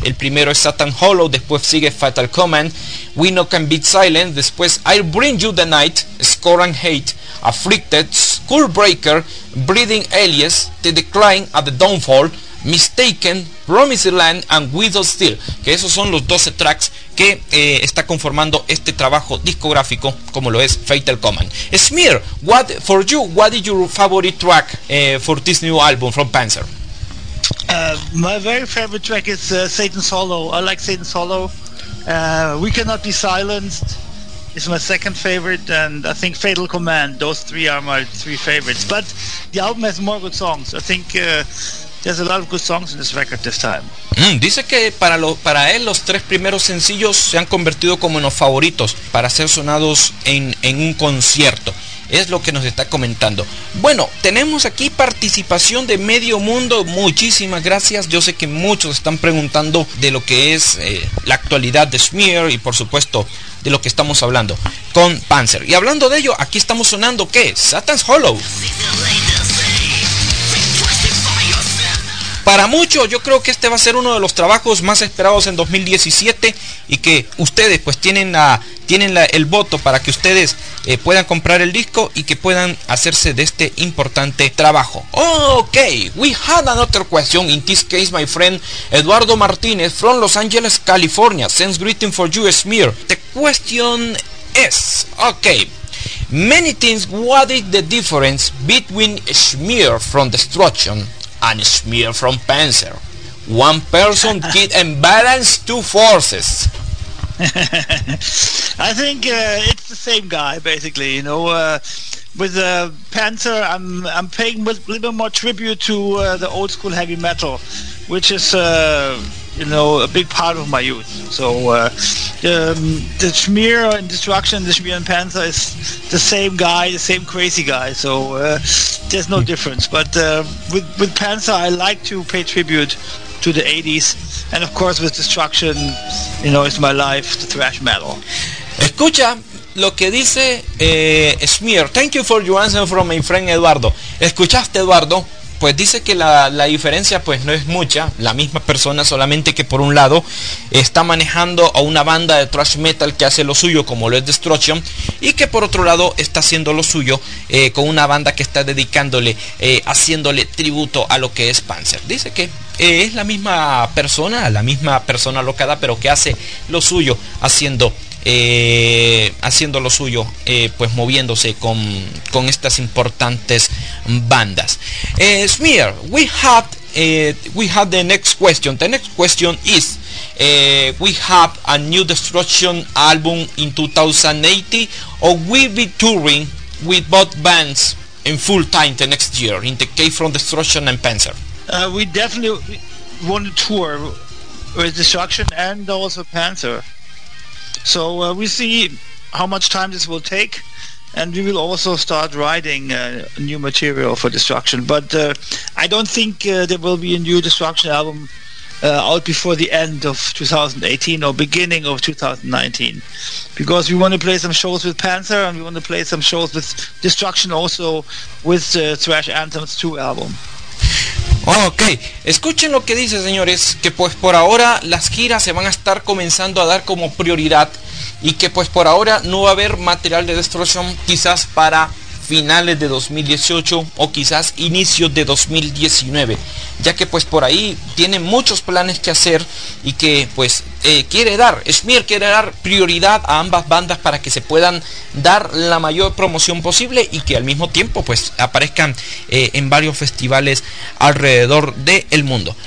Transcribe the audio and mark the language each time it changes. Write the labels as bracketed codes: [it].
[es] El primero es Satan Hollow, después sigue Fatal Command, We No Can Beat Silent, después I'll Bring You The Night, Score and Hate, Afflicted, School Breaker, Breathing Alias, The Decline at the Downfall, Mistaken, Promised Land and Widow Steel. Que esos son los 12 tracks que está conformando este trabajo discográfico como lo es Fatal Command. [en] Smear, what for you, what is your favorite track for this new album from Panzer? My very favorite track is Satan's Hollow. I like Satan's Hollow. We Cannot Be Silenced is my second favorite, and I think Fatal Command, those three are my three favorites. But the album has more good songs. I think there's a lot of good songs in this record this time. [es] Dice que para él los tres primeros sencillos se han convertido como en los favoritos para ser sonados en un concierto. Es lo que nos está comentando. Bueno, tenemos aquí participación de medio mundo. Muchísimas gracias. Yo sé que muchos están preguntando de lo que es la actualidad de Smear y por supuesto de lo que estamos hablando con Panzer. Y hablando de ello, aquí estamos sonando ¿qué? Satan's Hollow. Para muchos, yo creo que este va a ser uno de los trabajos más esperados en 2017 y que ustedes pues tienen el voto para que ustedes puedan comprar el disco y que puedan hacerse de este importante trabajo. [en] Ok, we had another question. In this case, my friend Eduardo Martínez from Los Angeles, California, sends greeting for you, Smear. The question is, ok, many things, what is the difference between Smear from Destruction and Smear from Panzer? One person can imbalance two forces. I think it's the same guy, basically. You know, with Panzer, I'm paying a little bit more tribute to the old school heavy metal, which is you know, a big part of my youth. So the Smear and Destruction, the Smear and Panzer is the same guy, the same crazy guy. So there's no difference. But with Panzer, I like to pay tribute to the 80s. And of course, with Destruction, you know, it's my life, the thrash metal. [es] Escucha lo que dice Smear. [en] Thank you for your answer from my friend Eduardo. [es] ¿Escuchaste, Eduardo? Pues dice que la diferencia pues no es mucha, la misma persona, solamente que por un lado está manejando a una banda de thrash metal que hace lo suyo como lo es Destruction, y que por otro lado está haciendo lo suyo con una banda que está dedicándole, haciéndole tributo a lo que es Panzer. Dice que es la misma persona locada, pero que hace lo suyo haciendo lo suyo, moviéndose con estas importantes bandas. [en] Smear, we have the next question. The next question is, we have a new Destruction album in 2018, or we'll be touring with both bands in full time the next year, in the case from Destruction and Panzer? We definitely want to tour with Destruction and also Panzer. So we see how much time this will take, and we will also start writing new material for Destruction. But I don't think there will be a new Destruction album out before the end of 2018 or beginning of 2019, because we want to play some shows with Panzer and we want to play some shows with Destruction also, with Thrash Anthems 2 album. [es] Ok, escuchen lo que dice, señores, que pues por ahora las giras se van a estar comenzando a dar como prioridad y que pues por ahora no va a haber material de Destrucción quizás para finales de 2018 o quizás inicio de 2019, ya que pues por ahí tiene muchos planes que hacer y que pues Smear quiere dar prioridad a ambas bandas para que se puedan dar la mayor promoción posible y que al mismo tiempo pues aparezcan en varios festivales alrededor del mundo.